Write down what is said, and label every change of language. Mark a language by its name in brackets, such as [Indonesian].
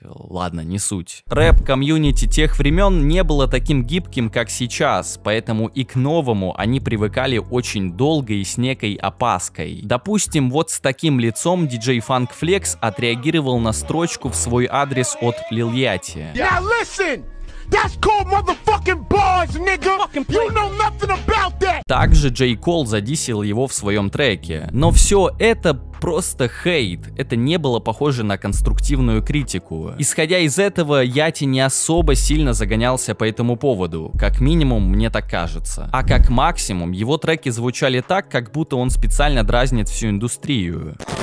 [Russian] Ладно, не суть. Рэп-комьюнити тех времен не было таким гибким, как сейчас, поэтому и к новому они привыкали очень долго и с некой опаской. Допустим, вот с таким лицом диджей Funk Flex отреагировал на строчку в свой адрес от Lil Yachty. [English] Now listen! That's called motherfucking bars, nigga. You know nothing about that. [Russian] Также J. Cole задиссил его в своем треке. Но все это просто хейт. Это не было похоже на конструктивную критику. Исходя из этого, Yachty не особо сильно загонялся по этому поводу. Как минимум, мне так кажется. А как максимум, его треки звучали так, как будто он специально дразнит всю индустрию.